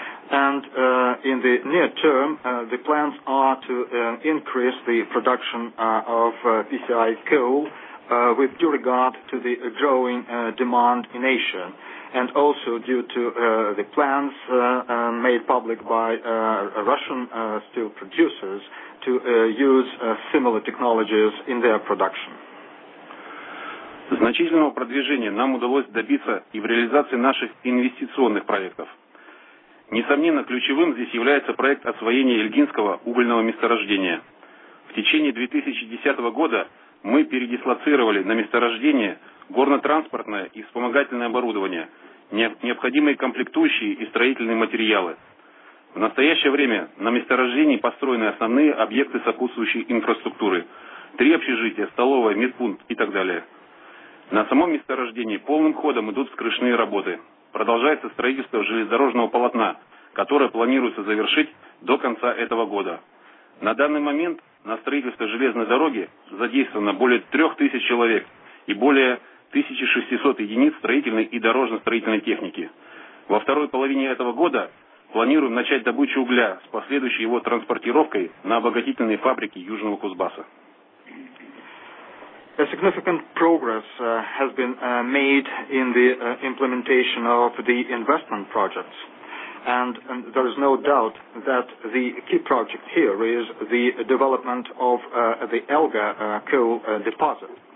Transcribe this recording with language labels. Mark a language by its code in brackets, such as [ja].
[en] And in the near term, the plans are to increase the production of PCI coal with due regard to the growing demand in Asia, and also due to the plans made public by Russian steel producers to use similar technologies in their production. [ru] Значительного продвижения нам удалось добиться и в реализации наших инвестиционных проектов. Несомненно, ключевым здесь является проект освоения Ильгинского угольного месторождения. В течение 2010 года мы передислоцировали на месторождение горно-транспортное и вспомогательное оборудование, необходимые комплектующие и строительные материалы. В настоящее время на месторождении построены основные объекты сопутствующей инфраструктуры. Три общежития, столовая, медпункт и так далее. На самом месторождении полным ходом идут вскрышные работы. Продолжается строительство железнодорожного полотна, которое планируется завершить до конца этого года. На данный момент на строительство железной дороги задействовано более 3000 человек и более 1600 единиц строительной и дорожно-строительной техники. Во второй половине этого года планируем начать добычу угля с последующей его транспортировкой на обогатительные фабрики Южного Кузбасса. [en] A significant progress has been made in the implementation of the investment projects. And there is no doubt that the key project here is the development of the Elga coal deposit.